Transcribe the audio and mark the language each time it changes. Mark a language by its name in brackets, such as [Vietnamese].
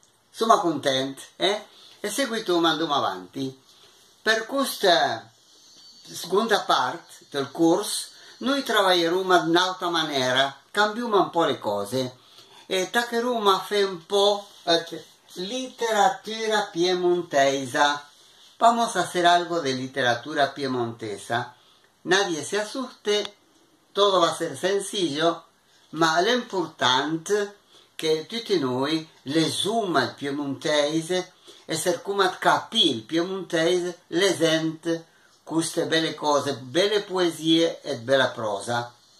[Italian] Sono contento, E seguito mandiamo avanti. Per questa seconda parte del corso, noi lavoreremo in un'altra maniera, cambiamo un po' le cose. E tacheremo a fare un po' letteratura piemontesa. [Spanish] Vamos a hacer algo de literatura piemontesa. Nadie se asuste, todo va a ser sencillo, [Italian] ma lo importante che tutti noi leggiamo il piemontese e cerchiamo di capire il piemontese leggendo queste belle cose, belle poesie e bella prosa.